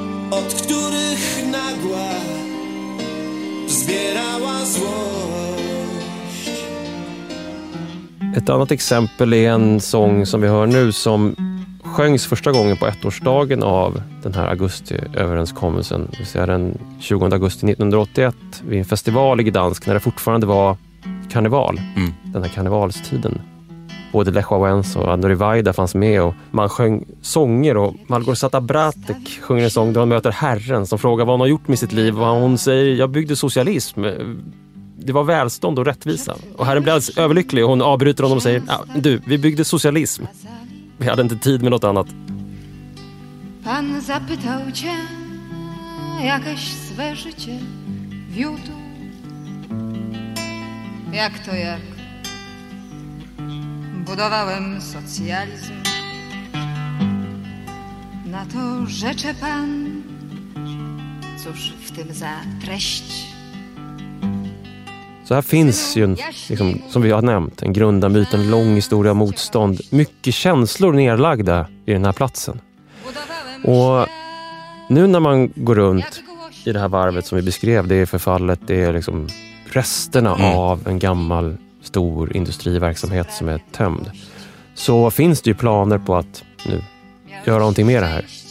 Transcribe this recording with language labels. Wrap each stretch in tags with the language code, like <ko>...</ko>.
<pl>Od których nagła zbierała złość.</pl> <sv>Ett annat exempel är en sång som vi hör nu, som sjöngs första gången på ettårsdagen av den här augustiöverenskommelsen. Vi ser den 20 augusti 1981 vid en festival i Gdansk, när det fortfarande var karneval. Den här karnevalstiden. Både Lech Wałęsa och Andrzej Wajda fanns med, och man sjöng sånger, och Malgorzata Bratek sjunger en sång där hon möter Herren som frågar vad hon har gjort med sitt liv, och hon säger, jag byggde socialism, det var välstånd och rättvisa, och Herren blir alldeles överlycklig, och hon avbryter honom och säger, ja, du, vi byggde socialism, vi hade inte tid med något annat.</sv> <pl>Pan zapytał cię jakieś swe życie wiódł, jak to jak budowałem socjalizm. Na to rzecze pan, cóż w tym za treść.</pl> <sv>Så här finns ju en, liksom, som vi har nämnt, en grundamyt, en lång historia av motstånd. Mycket känslor nedlagda i den här platsen. Och nu när man går runt i det här varvet som vi beskrev, det är förfallet, det är liksom resterna av en gammal stor industriverksamhet som är tömd, så finns det ju planer på att nu göra någonting mer här.</sv>